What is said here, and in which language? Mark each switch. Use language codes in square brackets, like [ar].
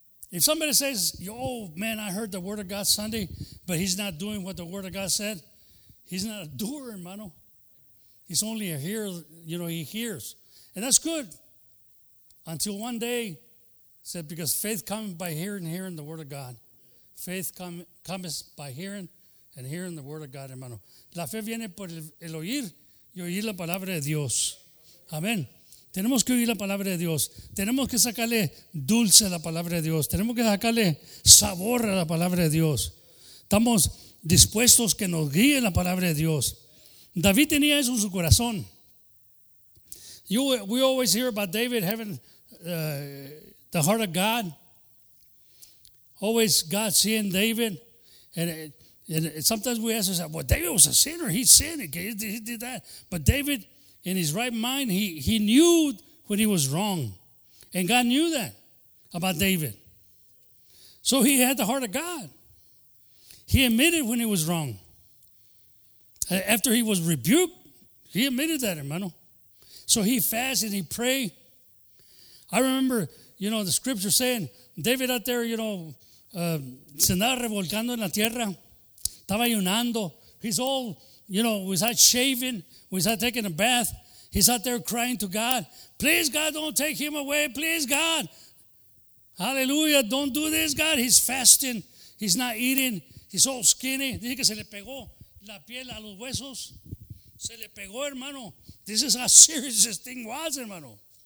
[en] If somebody says, oh man, I heard the word of God Sunday, but he's not doing what the word of God said, he's not a doer, hermano. He's only a hearer, you know, he hears. And that's good. Until one day, said, because faith comes by hearing the word of God. Faith comes by hearing and hearing the word of God, hermano. [es] La fe viene por el oír y oír la palabra de Dios. Amén. Tenemos que oír la palabra de Dios. Tenemos que sacarle dulce a la palabra de Dios. Tenemos que sacarle sabor a la palabra de Dios. Estamos dispuestos que nos guíe la palabra de Dios. David tenía eso en su corazón. [en] We always hear about David having the heart of God. Always God seeing David. And sometimes we ask ourselves, well, David was a sinner. He sinned. He did that. But David, in his right mind, he knew when he was wrong. And God knew that about David. So he had the heart of God. He admitted when he was wrong. After he was rebuked, he admitted that, hermano. So he fasted and he prayed. I remember, you know, the scripture saying, David out there, you know, [es] se andaba revolcando en la tierra, estaba ayunando. [en] He's all, you know, was out shaving, was out taking a bath. He's out there crying to God, please, God, don't take him away. Please, God. Hallelujah, don't do this, God. He's fasting. He's not eating. He's all skinny. [es] Dice que se le pegó la piel a los huesos. Se le pegó, hermano. [en] This is how serious this thing was, hermano.